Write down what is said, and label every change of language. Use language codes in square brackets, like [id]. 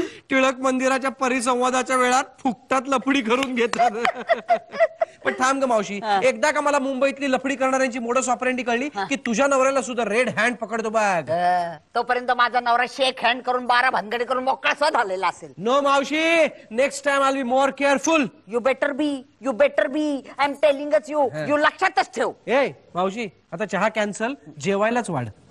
[mr] टिळक मंदिराच्या परिसंवादाच्या वेळात फुकटात लफडी करून घेतात. पण थांब ग मावशी, एकदा का मला मुंबईतली लफडी करणाऱ्यांची मोडस ऑपरेंडी कळली की तुझ्या नवऱ्याला सुद्धा रेड हँड पकडतो बघ. तोपर्यंत माझा नवरा शेक हँड करून बारा भानगडी करून मोकळा सध आलेला असेल. [en] No मावशी, next time I will be more careful. You better be. I am telling you. You [mr] लक्षातच ठेव. ए मावशी आता चहा कॅन्सल, जेवायलाच वाढ.